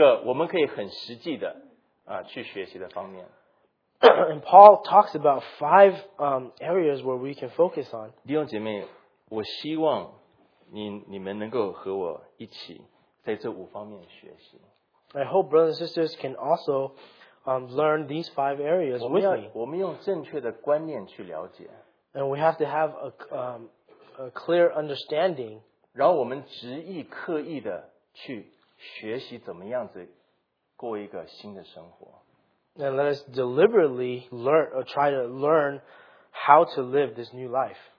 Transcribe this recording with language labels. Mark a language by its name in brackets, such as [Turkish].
[Chinese] 以保罗借的以弗所书这里面讲到五个我们可以很实际的去学习的方面。 [English] And Paul talks about five areas where we can focus on. [Chinese] 弟兄姐妹，我希望你们能够和我一起在这五方面学习。I [English] hope brothers and sisters can also learn these five areas with me. [Chinese] 我们用正确的观念去了解。And [English] we have to have a clear understanding. [Chinese] 然后我们执意刻意的去学习怎么样子过一个新的生活。 [English] And let us deliberately learn or try to learn how to live this new life.